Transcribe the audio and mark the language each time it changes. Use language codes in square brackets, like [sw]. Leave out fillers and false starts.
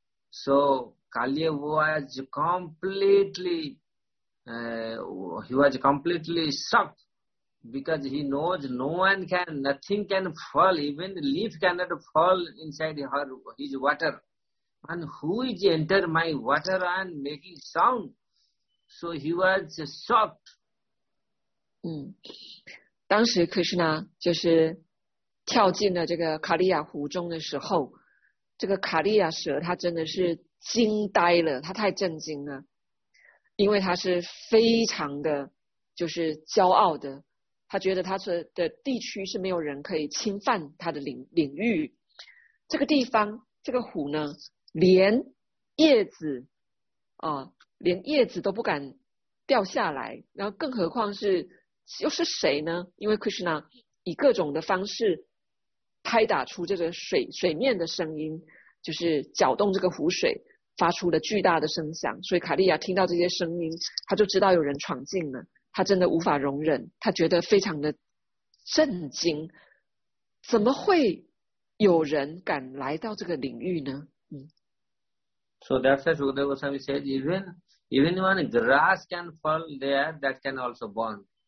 [en] So Kaliya was completely shocked because he knows nothing can fall, even the leaf cannot fall inside his water. And who is enter my water and making sound? So he was shocked. [zh] 当时 Krishna 就是跳进了这个卡利亚湖中的时候，这个卡利亚蛇他真的是惊呆了，他太震惊了，因为他是非常的就是骄傲的，他觉得他的地区是没有人可以侵犯他的领域，这个地方这个湖呢连叶子啊，连叶子都不敢掉下来，然后更何况是又是谁呢？因为 Krishna 以各种的方式拍打出这个水面的声音，就是搅动这个湖水，发出了巨大的声响。所以卡利亚听到这些声音，他就知道有人闯进了，他真的无法容忍，他觉得非常的震惊，怎么会有人敢来到这个领域呢？ [en] So that's why Sukadeva Goswami said, even when grass can fall there, that can also burn.